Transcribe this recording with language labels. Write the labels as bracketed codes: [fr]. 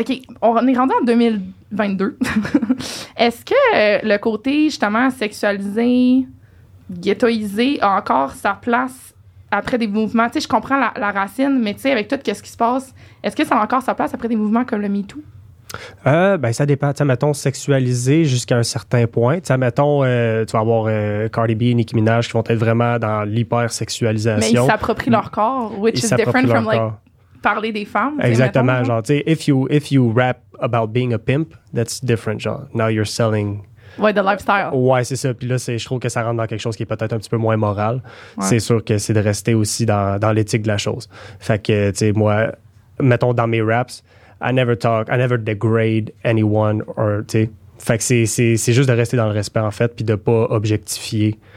[fr] OK, on est rendu en 2022. Est-ce que le côté, justement, sexualisé, ghettoisé, a encore sa place après des mouvements, tu sais, je comprends la racine, mais tu sais, avec tout ce qui se passe, est-ce que ça a encore sa place après des mouvements comme le MeToo? Ben, ça dépend. Tu sais, mettons, sexualiser jusqu'à un certain point. Tu sais, mettons, tu vas avoir Cardi B et Nicki Minaj qui vont être vraiment dans l'hypersexualisation. Mais ils s'approprient leur corps, which ils [en] is different from, like, [fr] parler des femmes. Exactement, genre, tu sais, [en] if you rap about being a pimp, that's different, genre. Now you're selling... [fr] Ouais, de lifestyle. Ouais, c'est ça. Puis là, c'est, je trouve que ça rentre dans quelque chose qui est peut-être un petit peu moins moral. Ouais. C'est sûr que c'est de rester aussi dans l'éthique de la chose. Fait que, tu sais, moi, mettons dans mes raps, [en] I never degrade anyone or, [fr] tu sais. Fait que c'est juste de rester dans le respect, en fait, puis de pas objectifier.